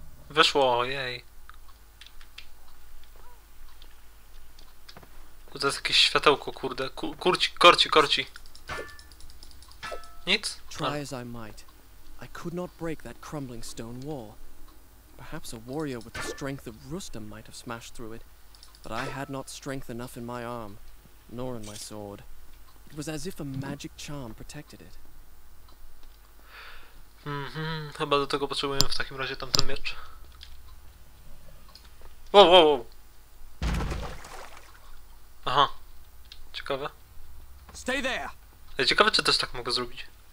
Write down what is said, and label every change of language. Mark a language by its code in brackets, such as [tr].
[pl] Wyszło, jej. To jest jakieś światełko, kurde. Korci. Nic? [en] Try as I might, I could not break that crumbling stone wall. Perhaps a warrior with the strength of Rustam might have smashed through it, but I had not strength enough in my arm, nor in my sword. It was as if a magic charm protected it. [pl] Chyba do tego potrzebujemy w takim razie tamten miecz. Wow. Aha. Ciekawe. [en] Stay there. [pl] Ej, ciekawe, czy też tak mogę zrobić.